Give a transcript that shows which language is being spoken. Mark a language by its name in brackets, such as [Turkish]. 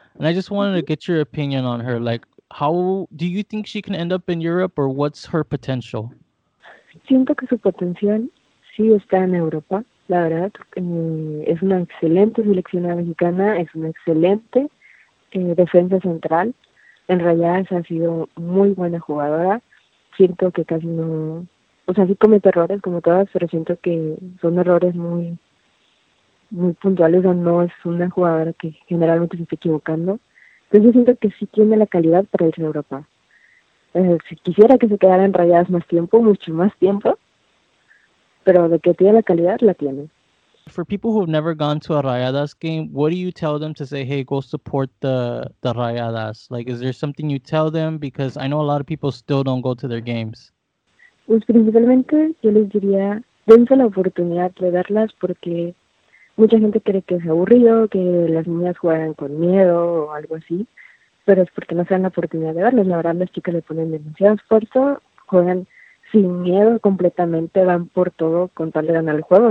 [English] And I just wanted to get your opinion on her. Like, how do you think she can end up in Europe, or what's her potential? [Spanish] Siento que su potencial sí está en Europa, la verdad. Es una excelente seleccionada mexicana, es una excelente defensa central. En realidad, ha sido muy buena jugadora. Siento que casi no, O sea, sí comete errores como todas, pero siento que son errores muy, muy puntuales. O sea, no es una jugadora que generalmente se está equivocando. Entonces siento que sí tiene la calidad para irse a Europa. Si quisiera que se quedaran rayadas más tiempo, mucho más tiempo, pero de que tiene la calidad, la tiene. [English] For people who have never gone to a Rayadas game, what do you tell them to say, hey, go support the Rayadas? Like, is there something you tell them? Because I know a lot of people still don't go to their games. [Spanish] Pues principalmente yo les diría, dense la oportunidad de verlas porque mucha gente cree que es aburrido, que las niñas juegan con miedo o algo así, pero es porque no se dan la oportunidad de verlas. La verdad, las chicas le ponen demasiado esfuerzo, juegan sin miedo completamente, van por todo con tal de ganar el juego.